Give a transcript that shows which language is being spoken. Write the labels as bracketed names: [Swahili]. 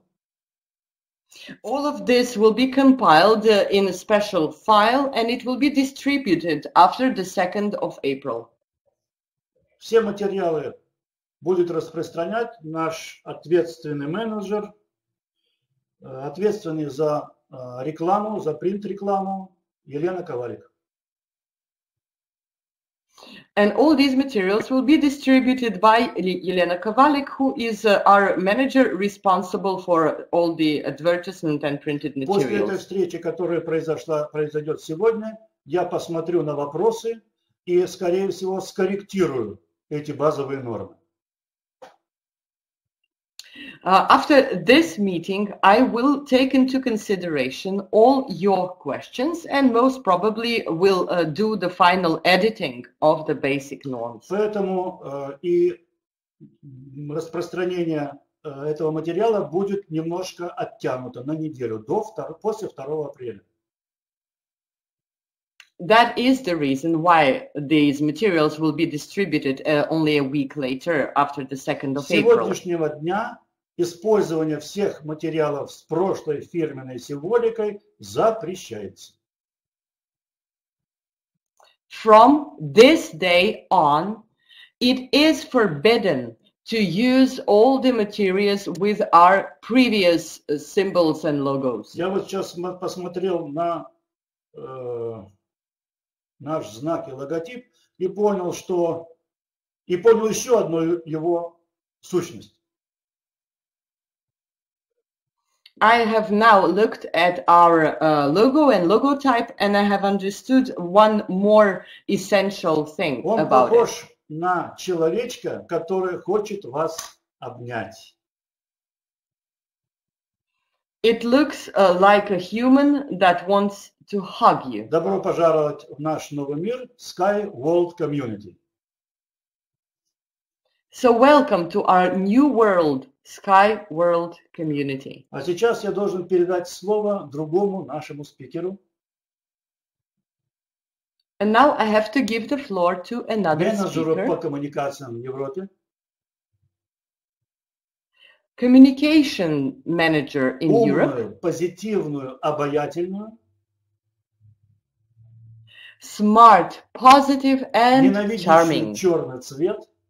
[English] 2. All of this will be compiled in a special file and it will be distributed after the 2nd of April. [Russian] Все материалы будет распространять наш ответственный менеджер, ответственный за рекламу, за принт-рекламу, Елена Коварик. [English] And all these materials will be distributed by Елена Ковалик, who is our manager responsible for all the advertisement and printed materials. [Russian] После этой встречи, которая произойдет сегодня, я посмотрю на вопросы и, скорее всего, скорректирую эти базовые нормы. [English] After this meeting, I will take into consideration all your questions and most probably will do the final editing of the basic norms. [Russian] Поэтому и распространение этого материала будет немножко оттянуто на неделю после 2 апреля. [English] That is the reason why these materials will be distributed only a week later, after the 2nd of April. [Russian] Сегодняшнего дня использование всех материалов с прошлой фирменной символикой запрещается. [English] From this day on, it is forbidden to use all the materials with our previous symbols and logos. [Russian] Я вот сейчас посмотрел на наш знак и логотип и понял, что и понял еще одну его сущность. [English] I have now looked at our logo and logotype, and I have understood one more essential thing [Russian] Он [English] about it. [Russian] Он похож на человечка, который хочет вас обнять. [English] It looks like a human that wants to hug you. [Russian] Добро пожаловать в наш новый мир, Sky World Community. [English] So welcome to our new world. Sky World Community. [Russian] А сейчас я должен передать слово другому нашему спикеру. [English] And now I have to give the floor to another [Russian] Менеджеру [English] speaker. [Russian] По коммуникациям в Европе. [English] Communication manager in [Russian] Умную, [English] Europe. [Russian] Позитивную, обаятельную. [English] Smart, positive and charming. [Russian] Ненавидящий черный цвет.